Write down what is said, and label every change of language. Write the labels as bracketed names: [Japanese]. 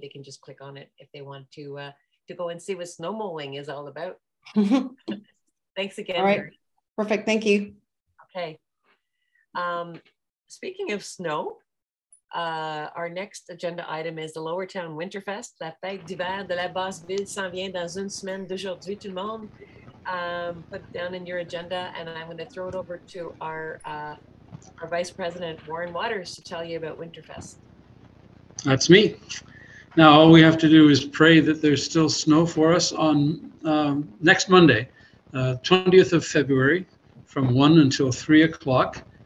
[English] They can just click on it if they want to go and see what snow moling is all about. Thanks again. All right. Mary. Perfect. Thank you. Okay. Speaking of snow, our next agenda item is the Lower Town Winterfest. [French] La fête d'hiver de la basse ville s'en vient dans une semaine d'aujourd'hui, tout le monde. [English] Put it down in your agenda, and I'm going to throw it over to our Vice President Warren Waters to tell you about Winterfest. That's me. Now all we have to do is pray that there's still snow for us on next Monday, 20th of February, from 1 until 3 o'clock.